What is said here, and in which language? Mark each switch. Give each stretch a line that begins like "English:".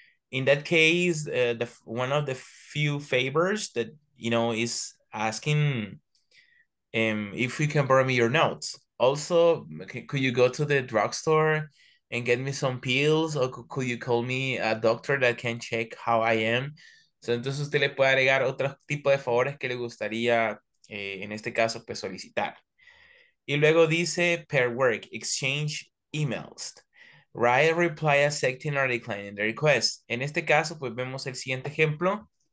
English: In that case, one of the few favors that, you know, is asking if you can borrow me your notes. Also, could you go to the drugstore and get me some pills, or could you call me a doctor that can check how I am?
Spanish: So entonces usted le puede agregar otro tipo de favores que le gustaría en este caso, pues, solicitar. Y luego dice,
English: per work, exchange emails. Write a reply accepting or declining the request.
Spanish: En este caso, pues vemos el siguiente ejemplo.